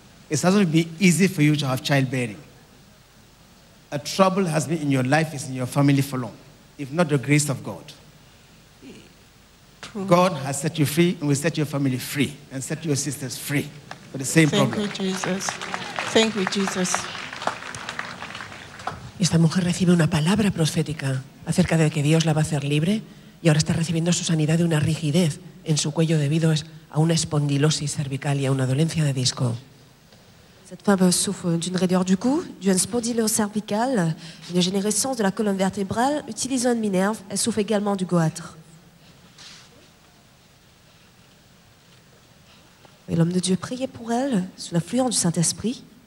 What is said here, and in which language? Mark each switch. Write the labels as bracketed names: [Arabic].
[English] It hasn't been easy for you to have childbearing. A trouble has been in your life, is in your family for long, if not the grace of God. True. God has set you free and will set your family free and set your sisters free for the same problem. Thank you, Jesus. Thank you, Jesus. [Spanish] Esta mujer recibe una palabra profética acerca de que Dios la va a hacer libre y ahora está recibiendo su sanidad de una rigidez en su cuello debido a una espondilosis cervical y a una dolencia de disco. [French] Cette femme souffre d'une raideur du cou, d'une spondylose cervicale, d'une dégénérescence de la colonne vertébrale, utilisant une minerve, elle souffre également du goitre. Et l'homme de Dieu priait pour elle, sous l'influence du Saint-Esprit.